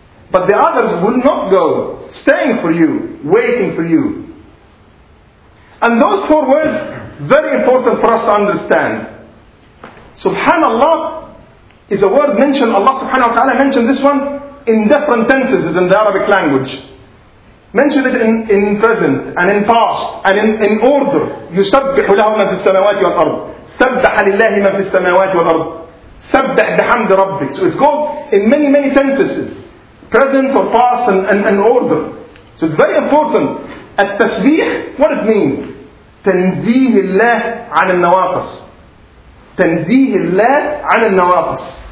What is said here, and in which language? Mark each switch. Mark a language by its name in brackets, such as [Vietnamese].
[English] But the others will not go. Staying for you. Waiting for you. And those four words, very important for us to understand. Subhanallah is a word mentioned, Allah subhanahu wa ta'ala mentioned this one in different tenses in the Arabic language. Mentioned it in present and in past and in order. [Arabic] يُسَبِّحُ لَهُ مَا فِي السَّمَاوَاتِ وَالْأَرْضِ. سَبَّحَ لِلَّهِ مَا فِي السَّمَاوَاتِ وَالْأَرْضِ. سبح بحمد ربك. [English] So it's called in many many sentences, present or past and order. So it's very important. التسبيح, what it means? [Arabic] تنزيه الله عن النواقص. تنزيه الله عن النواقص.